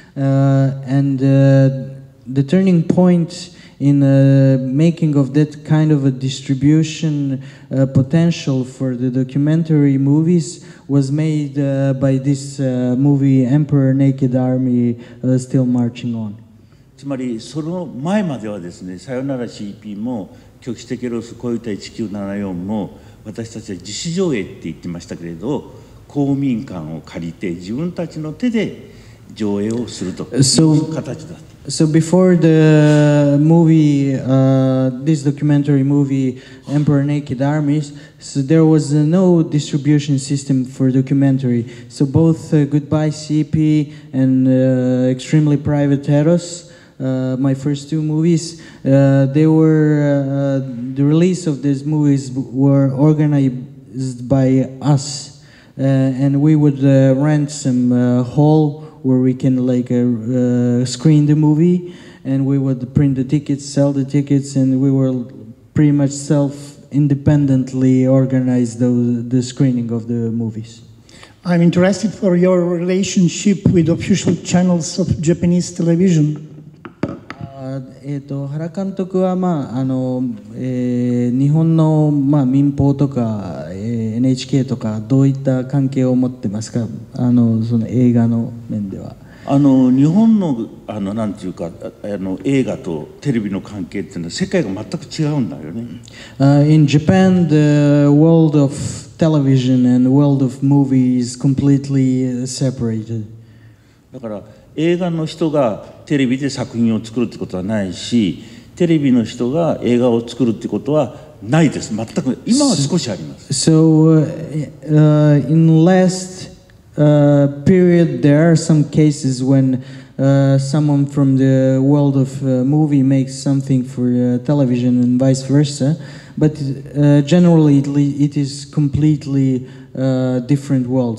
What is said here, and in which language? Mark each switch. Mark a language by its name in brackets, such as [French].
[English] And the turning point in the making of that kind of a distribution potential for the documentary movies was made by this movie Emperor Naked Army Still Marching On. [Japanese] つまりその前まではですね、さよなら CP も局地的ロス、コヨタ1974も私たちは自主上映って言ってましたけれど、公民館を借りて自分たちの手で上映をするという形だった。 [English] So before the movie, this documentary movie, Emperor Naked Armies, so there was no distribution system for documentary. So both Goodbye CP and Extremely Private Eros,my first two movies, they were, the release of these movies were organized by us, and we would rent some hall where we can like screen the movie, and we would print the tickets, sell the tickets, and we were pretty much self-independently organized the screening of the movies. I'm interested for your relationship with official channels of Japanese television. [Japanese] 原監督は、まあ日本の、まあ、民放とか、NHK とかどういった関係を持ってますか、その映画の面では。日本の、なんていうか、映画とテレビの関係っていうのは世界が全く違うんだよね。 [English] In Japan, the world of television and the world of movies is completely separated. [Japanese] だから映画の人がテレビで作品を作るってことはないし、テレビの人が映画を作るってことはないです。全く今は少しあります。 [English] So in last period there are some cases whensomeone from the world of movie makes something for television and vice versa, but generally it is completely different world.